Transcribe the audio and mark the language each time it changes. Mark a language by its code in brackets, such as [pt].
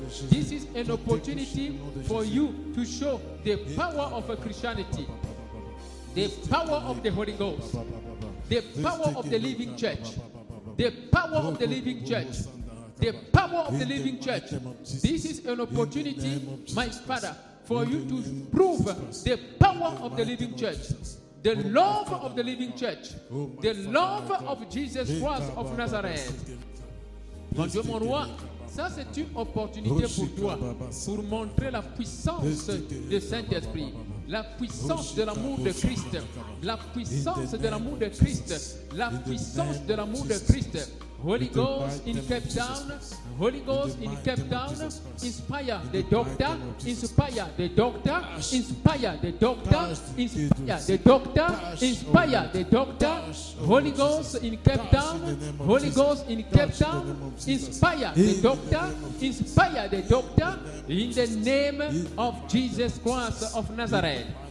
[en] This is an opportunity for you to show the power of Christianity, the power of the Holy Ghost, the power of the living church, the power of the living church, the power of the living church. This is an opportunity, my Father, for you to prove the power of the living church, the love of the living church, the love of Jesus Christ of Nazareth. [fr] Bonjour, mon roi. Ça, c'est une opportunité pour toi, pour montrer la puissance du Saint-Esprit, la puissance de l'amour de Christ, la puissance de l'amour de Christ, la puissance de l'amour de Christ. [en] Holy Ghost in Cape Town, Holy Ghost in Cape Town, inspire the doctor, inspire the doctor, inspire the doctor, inspire the doctor, inspire the doctor, Holy Ghost in Cape Town, Holy Ghost in Cape Town, inspire the doctor, inspire the doctor, in the name of Jesus Christ of Nazareth.